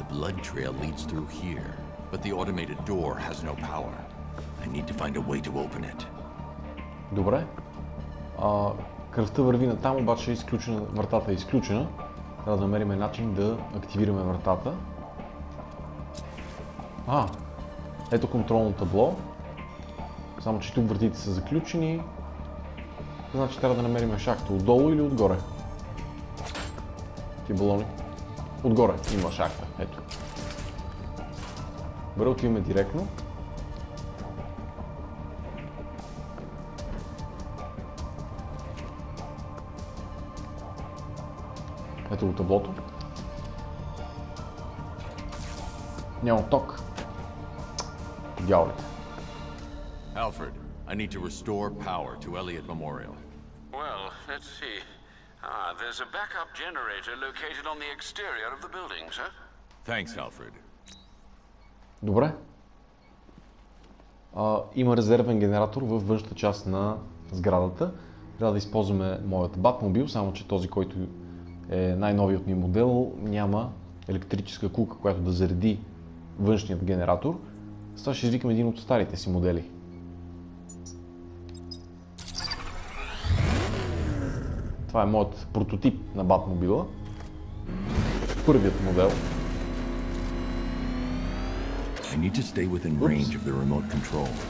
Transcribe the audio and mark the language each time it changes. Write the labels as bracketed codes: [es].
[en] Trail leads through here, but the automated door has no power. I need to find a way to open it. [bg] Добре. Кръвта върви на там, обаче изключена, вратата е изключена. Трябва да намерим начин да активираме вратата. А, ето контролно табло. Само че тук вратите са заключени. Значи трябва да намерим шахта отдолу или отгоре. Ти балони. Отгоре има шахта. Ето. Добре, отиваме директно. Ето го таблото. Няма ток. Дяволите. [en] Алфред, I need to restore power to Elliot Memorial. Well, let's see. Ah, there's a backup generator located on the exterior of the building, sir. Thanks, Alfred. [bg] Добре. Има резервен генератор във външната част на сградата. Трябва да използваме моят Батмобил, само че този, който е най-новият ми модел, няма електрическа кука, която да зареди външният генератор. С това ще извикам един от старите си модели. Това е моят прототип на Батмобила. Първият модел. [en] I need to stay within range of the remote control.